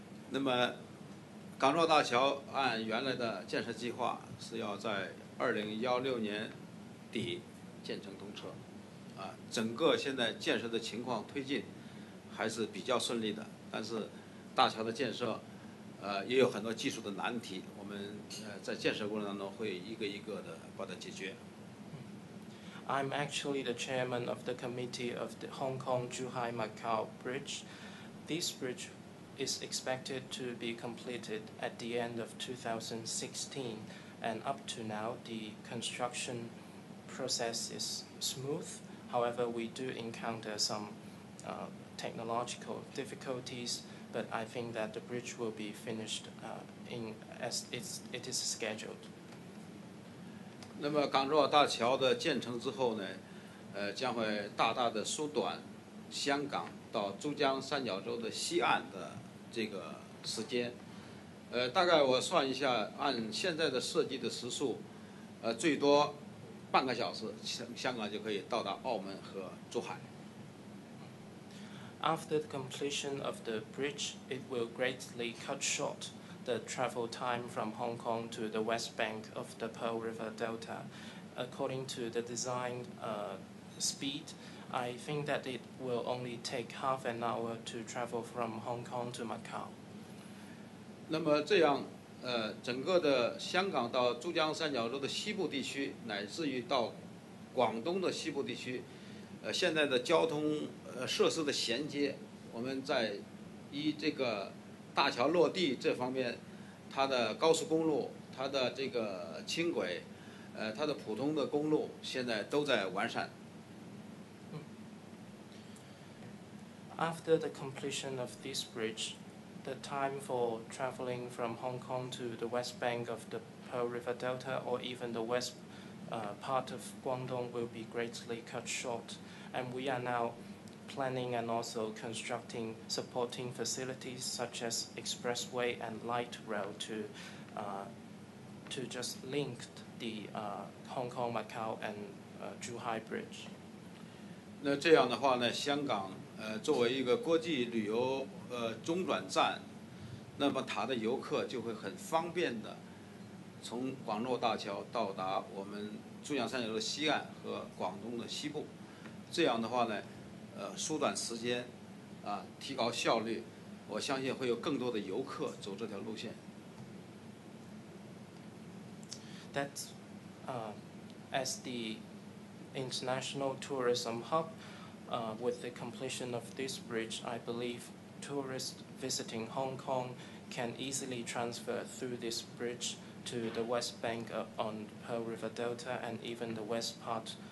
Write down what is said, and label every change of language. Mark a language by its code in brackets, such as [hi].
[zh] 那么，港珠澳大桥按原来的建设计划是要在2016年底建成通车。整个现在建设的情况推进还是比较顺利的，但是大桥的建设也有很多技术的难题，我们在建设过程当中会一个一个的把它解决。 [en] I'm actually the chairman of the committee of the Hong Kong-Zhuhai-Macau Bridge. This bridge is expected to be completed at the end of 2016, and up to now, the construction process is smooth. However, we do encounter some technological difficulties, but I think that the bridge will be finished as it is scheduled. [zh] 那么港珠澳大桥的建成之后呢，将会大大的缩短香港到珠江三角洲的西岸的这个时间，大概我算一下，按现在的设计的时速，最多半个小时，香港就可以到达澳门和珠海。 [en] After the completion of the bridge, it will greatly cut short. The travel time from Hong Kong to the west bank of the Pearl River Delta. According to the design speed, I think that it will only take half an hour to travel from Hong Kong to Macau. [zh] 那么这样，整个的香港到珠江三角洲的西部地区，乃至于到广东的西部地区，现在的交通设施的衔接，我们在以这个。大桥落地这方面，它的高速公路、它的这个轻轨、它的普通的公路，现在都在完善。 [en] After the completion of this bridge, the time for traveling from Hong Kong to the west bank of the Pearl River Delta, or even the west part of Guangdong, will be greatly cut short, and we are now. Planning and also constructing supporting facilities such as expressway and light rail to just link the Hong Kong Macau and Zhuhai Bridge. [zh] 那这样的话呢，香港作为一个国际旅游中转站，那么它的游客就会很方便的从广珠澳大桥到达我们珠江三角洲的西岸和广东的西部。这样的话呢。缩短时间，提高效率，我相信会有更多的游客走这条路线。 [en] That's as the international tourism hub, with the completion of this bridge, I believe tourists visiting Hong Kong can easily transfer through this bridge to the west bank on Pearl River Delta and even the west part.